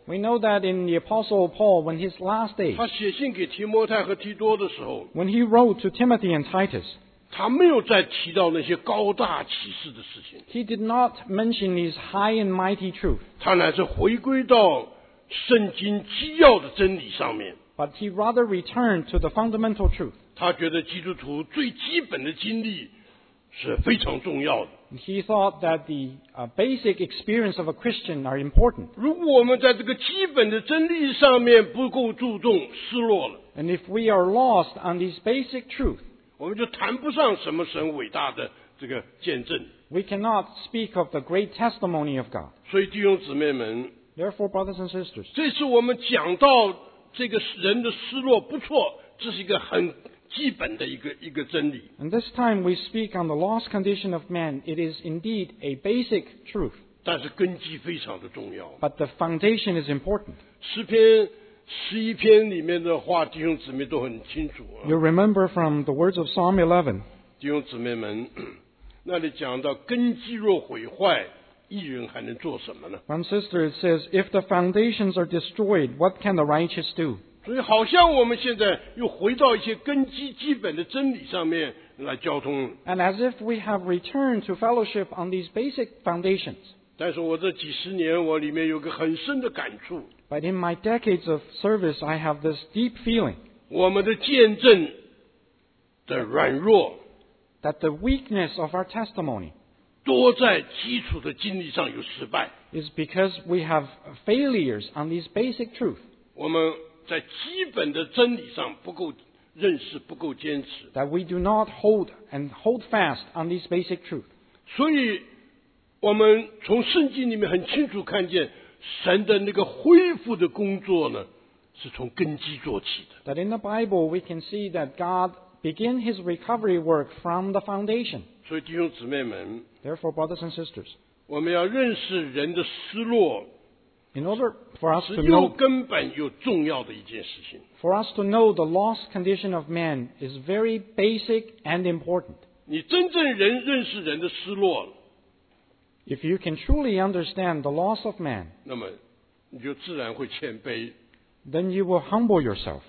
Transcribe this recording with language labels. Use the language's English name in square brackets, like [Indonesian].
[English] We know that in the Apostle Paul, when his last days, [Chinese] 他写信给提摩太和提多的时候， [English] when he wrote to Timothy and Titus, [Chinese] 他没有再提到那些高大启示的事情。 [English] He did not mention these high and mighty truth. [Chinese] 他乃是回归到圣经基要的真理上面。 [English] But he rather returned to the fundamental truth. [Chinese] 他觉得基督徒最基本的经历是非常重要的。 [English] He thought that the basic experience of a Christian are important. [Chinese] 如果我们在这个基本的真理上面不够注重，失落了。 [English] And if we are lost on these basic truth, [Chinese] 我们就谈不上什么神伟大的这个见证。 [English] We cannot speak of the great testimony of God. [Chinese] 所以弟兄姊妹们， [English] Therefore, brothers and sisters, [Chinese] 这次我们讲到这个人的失落不错，这是一个很基本的一个真理。 [English] And this time we speak on the lost condition of man, it is indeed a basic truth. [Chinese] 但是根基非常的重要。 [English] But the foundation is important. [Chinese] 诗篇十一篇里面的话，弟兄姊妹都很清楚、啊。 [English] You remember from the words of Psalm 11. [Chinese] 弟兄姊妹们，那里讲到根基若毁坏，义人还能做什么呢 [English] ？One sister says, if the foundations are destroyed, what can the righteous do? [Chinese] 所以好像我们现在又回到一些根基基本的真理上面来交通。 [English] And as if we have returned to fellowship on these basic foundations. [Chinese] 但是我这几十年，我里面有个很深的感触。 [English] But in my decades of service, I have this deep feeling. [Chinese] 我们的见证的软弱。 [English] That the weakness of our testimony [Chinese] 多在基础的经历上有失败 [English] is because we have failures on these basic truths. [Chinese] 我们在基本的真理上不够认识，不够坚持 [English] That we do not hold fast on these basic truths. [Chinese] 所以我们从圣经里面很清楚看见神的那个恢复的工作呢，是从根基做起的 [English] That in the Bible we can see that GodBegin his recovery work from the foundation. [Chinese] 所以弟兄姊妹们 [English] Therefore, brothers and sisters, [Chinese] 我们要认识人的失落 [English] in order for us to know, [Chinese] 是又根本又重要的一件事情 [English] For us to know the lost condition of man is very basic and important. [Chinese] 你真正人认识人的失落 [English] If you can truly understand the loss of man, [Chinese] 那么你就自然会谦卑 [English] then you will humble yourself.